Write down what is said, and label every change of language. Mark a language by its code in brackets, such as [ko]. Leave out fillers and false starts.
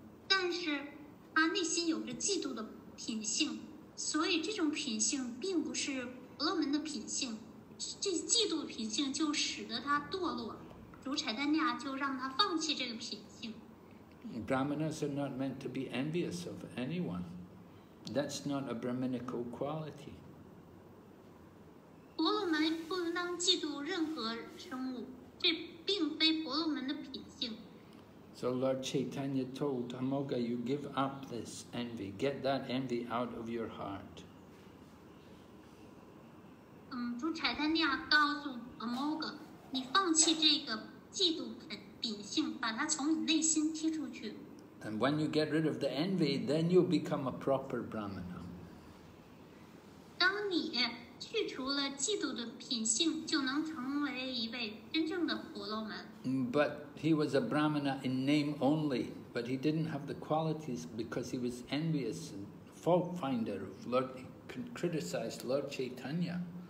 [zh] 但是他内心有着嫉妒的品性，所以这种品性并不是婆罗门的品性，这嫉妒品性就使得他堕落。主柴丹尼亚就让他放弃这个品性。 [en] Brahmanas are not meant to be envious of anyone. That's not a Brahminical quality. [zh] 婆罗门不应当嫉妒任何生物，这并非婆罗门的品性。 [en] So Lord Chaitanya told Amoga, you give up this envy. Get that envy out of your heart. Lord Chaitanya told Amoga, [zh] 你放弃这个嫉妒品性，把它从你内心踢出去。 [en] And when you get rid of the envy, then you'll become a proper Brahmana. [zh] 当你去除了嫉妒的品性，就能成为一位真正的婆罗门。 [en] But he was a Brahmana in name only, but he didn't have the qualities because he was envious and fault finder of Lord, he criticized Lord Chaitanya.